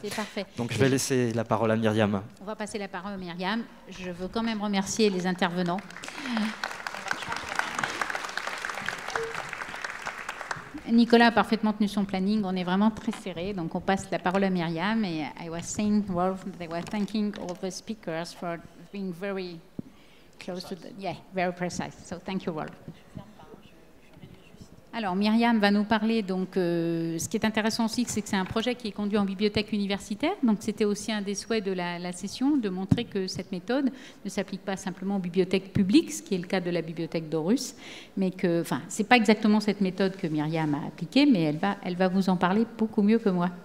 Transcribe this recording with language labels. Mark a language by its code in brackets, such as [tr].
[fr] C'est parfait. Donc, je vais laisser la parole à Myriam. On va passer la parole à Myriam. Je veux quand même remercier les intervenants. Nicolas a parfaitement tenu son planning, on est vraiment très serré, donc on passe la parole à Myriam. [en] Et I was saying, Wolf, they were thanking all the speakers for being very close to the... Yeah, very precise, so thank you, Wolf. [fr] Alors, Myriam va nous parler, donc, ce qui est intéressant aussi, c'est que c'est un projet qui est conduit en bibliothèque universitaire, donc c'était aussi un des souhaits de la session, de montrer que cette méthode ne s'applique pas simplement aux bibliothèques publiques, ce qui est le cas de la bibliothèque d'Aarhus, mais que, enfin, c'est pas exactement cette méthode que Myriam a appliquée, mais elle va vous en parler beaucoup mieux que moi.